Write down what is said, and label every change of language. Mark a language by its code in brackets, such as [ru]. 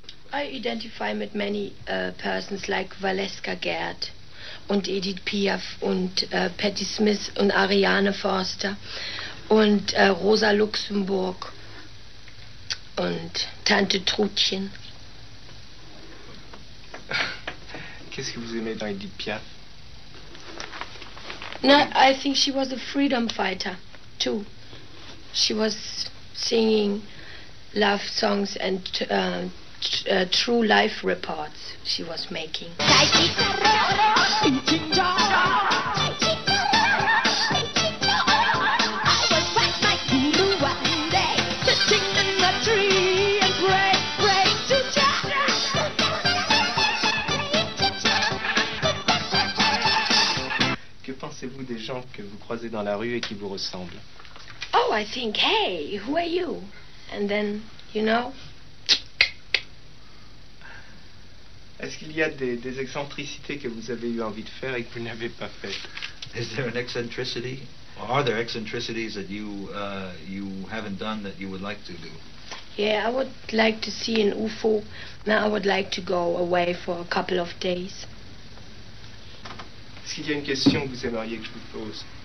[en] I identify with many persons like Valeska Gerd [de] und [en] Edith Piaf und Patti Smith und Ariane Forster und Rosa Luxemburg und Tante Trutchen. [fr] Qu'est-ce que vous aimez dans Edith Piaf? [en] No, I think she was a freedom fighter, too. She was singing love songs and true life reports she was making. [fr] Pensez-vous des gens que vous croisez dans la rue et qui vous ressemblent? [en] Oh, I think, hey, who are you? And then, you know? [fr] Est-ce qu'il y a des excentricités que vous avez eu envie de faire et que vous n'avez pas fait? [en] Is there an eccentricity? Or are there eccentricities that you haven't done that you would like to do? Yeah, I would like to see an UFO. Now I would like to go away for a couple of days. [fr] Est-ce qu'il y a une question que vous aimeriez que je vous pose?